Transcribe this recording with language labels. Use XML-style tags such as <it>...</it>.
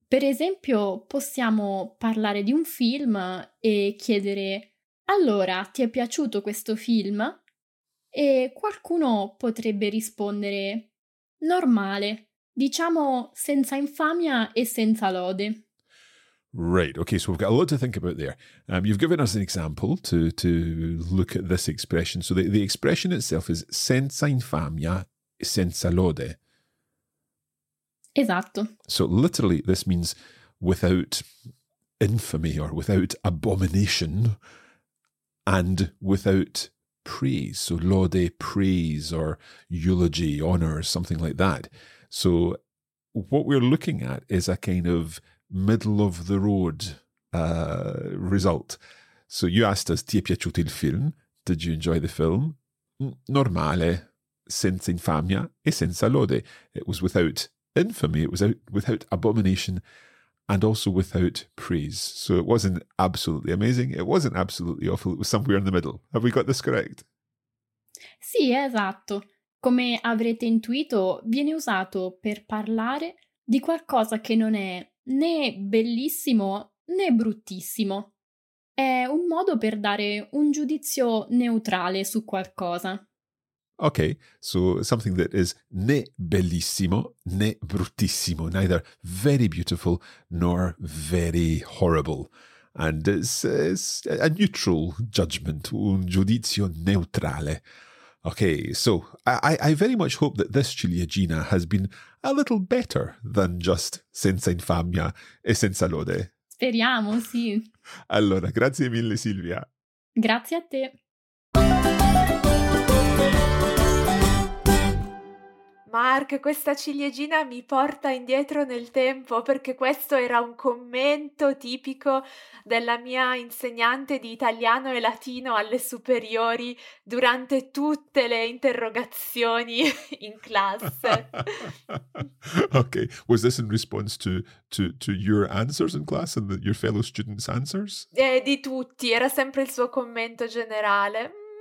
<it>Per esempio, possiamo parlare di un film e chiedere: allora, ti è piaciuto questo film? E qualcuno potrebbe rispondere: normale, diciamo senza infamia e senza lode.</it> <en>Right, okay, so we've got a lot to think about there. You've given us an example to look at this expression. So the expression itself is senza infamia e senza lode.</en> <it>Esatto.</it> <en>So literally this means without infamy or without abomination and without praise. So lode, praise, or eulogy, honor, something like that. So what we're looking at is a kind of middle of the road result. So you asked us, ti è piaciuto il film? Did you enjoy the film? Normale, senza infamia e senza lode. It was without infamy, it was without abomination and also without praise. So it wasn't absolutely amazing. It wasn't absolutely awful. It was somewhere in the middle. Have we got this correct?</en> <it>Sì, esatto. Come avrete intuito, viene usato per parlare di qualcosa che non è né bellissimo né bruttissimo. È un modo per dare un giudizio neutrale su qualcosa.</it> <en>Ok, so something that is né bellissimo né bruttissimo, neither very beautiful nor very horrible. And it's a neutral judgment, un giudizio neutrale. Okay, so I very much hope that this ciliegina has been a little better than just senza infamia e senza lode.</en> <it>Speriamo, sì. Allora, grazie mille Silvia. Grazie a te. Mark, questa ciliegina mi porta indietro nel tempo, perché questo era un commento tipico della mia insegnante di italiano e latino alle superiori durante tutte le interrogazioni in classe.</it> <en>Okay, was this in response to your answers in class and your fellow students' answers?</en> <it>Di tutti, era sempre il suo commento generale.</it>